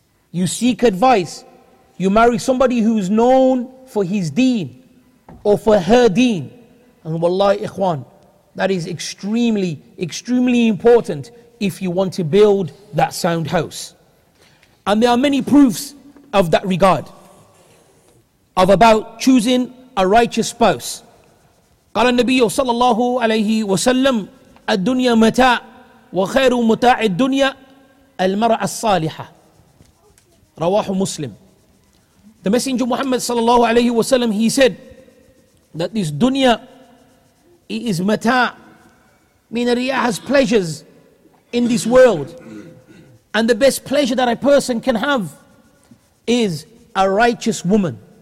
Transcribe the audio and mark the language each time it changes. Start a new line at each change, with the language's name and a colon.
English: You seek advice. You marry somebody who is known for his deen, or for her deen. And wallahi ikhwan, that is extremely, extremely important if you want to build that sound house. And there are many proofs of that regard, of about choosing a righteous spouse.
Arabic: قال النبي صلى الله عليه وسلم الدنيا متاع وخير متاع الدنيا المرء الصالحة رواه مسلم.
English: The Messenger Muhammad
Arabic: صلى الله عليه وسلم,
English: he said that this dunya, it is mata', meaning that it has pleasures in this world. And the best pleasure that a person can have is a righteous woman.